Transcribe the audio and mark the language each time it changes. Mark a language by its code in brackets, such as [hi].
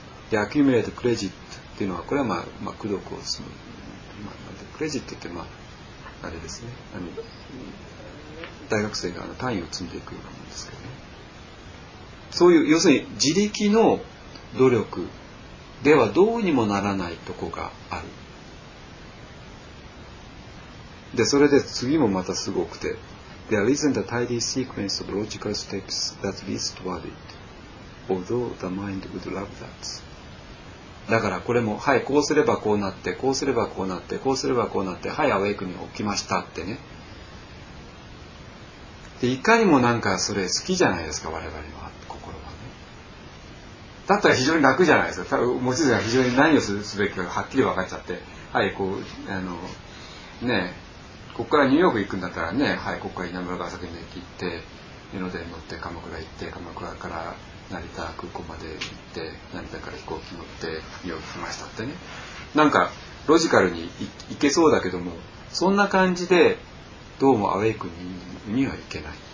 [ja] で、 [en] accumulate credit、 [ja] っていうのはこれはまあ、まあ、苦毒を積む、まあ、クレジットってまああれですね、あの大学生があの単位を積んでいくようなもんですけどね、そういう要するに自力の努力ではどうにもならないとこがある。 [en] でそれで次もまたすごくて、 There isn't a tidy sequence of logical steps that leads toward it, although the mind would love that. [ja] だからこれも、はい、こうすればこうなって、こうすればこうなって、こうすればこうなって、はい、アウェイクに起きましたってね。で、いかにもなんかそれ好きじゃないですか、我々の心はね。だったら非常に楽じゃないですか。もちろん非常に何をすべきかはっきり分かっちゃって、はい、こう、あの、ねえ、こっからニューヨーク行くんだったらね、はい、ここから稲村ヶ崎に行って、江ノ電乗って鎌倉行って、鎌倉から、成田空港まで行って、成田から飛行機乗って見送りましたってね、なんかロジカルに行けそうだけども、そんな感じでどうもアウェイクにはいけない。